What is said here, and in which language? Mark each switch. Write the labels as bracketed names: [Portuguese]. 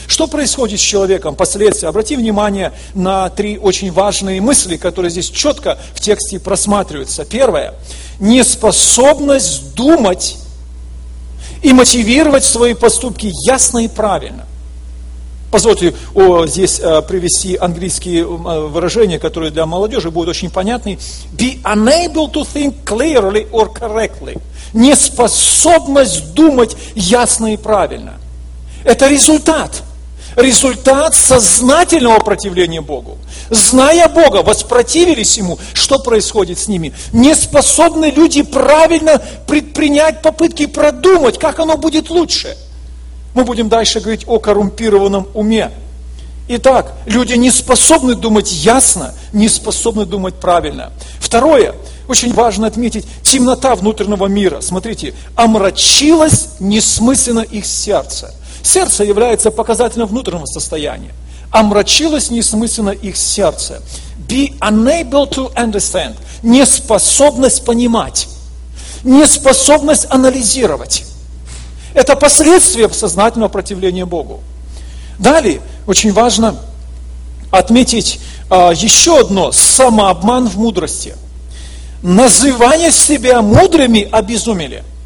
[Russian] Что происходит с человеком? Последствия. Обрати внимание на три очень важные мысли, которые здесь четко в тексте просматриваются. Первое. Неспособность думать и мотивировать свои поступки ясно и правильно. Позвольте здесь привести английские выражения, которые для молодежи будут очень понятны. [English] Be unable to think clearly or correctly. [Russian] Неспособность думать ясно и правильно. Это результат. Результат сознательного противления Богу. Зная Бога, воспротивились Ему, что происходит с ними? Не способны люди правильно предпринять попытки продумать, как оно будет лучше. Мы будем дальше говорить о коррумпированном уме. Итак, люди не способны думать ясно, не способны думать правильно. Второе, очень важно отметить, темнота внутреннего мира, смотрите, омрачилась несмысленно их сердце. Сердце является показателем внутреннего состояния. Омрачилось несмысленно их сердце. [English] Be unable to understand. [Russian] Неспособность понимать. Неспособность анализировать. Это последствия сознательного противления Богу. Далее, очень важно отметить еще одно. Самообман в мудрости. Называя себя мудрыми, обезумели.